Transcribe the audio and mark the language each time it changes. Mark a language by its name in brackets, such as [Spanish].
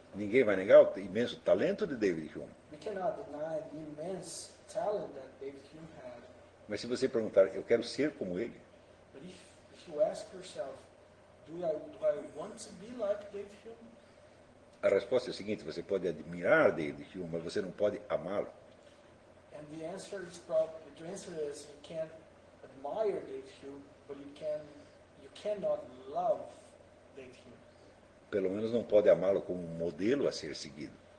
[Portuguese] Ninguém vai negar o imenso talento de David Hume. [English] We cannot deny the immense talent that David Hume had. [Portuguese] Mas se você perguntar, eu quero ser como ele. [English] But if you ask yourself, do I want to be like David Hume? [Portuguese] A resposta é a seguinte: você pode admirar David Hume, mas você não pode amá-lo. [English] And the answer is probably, the answer is you can't admire David Hume, but you cannot love David Hume. [Portuguese] Pelo menos não pode amá-lo como um modelo a ser seguido.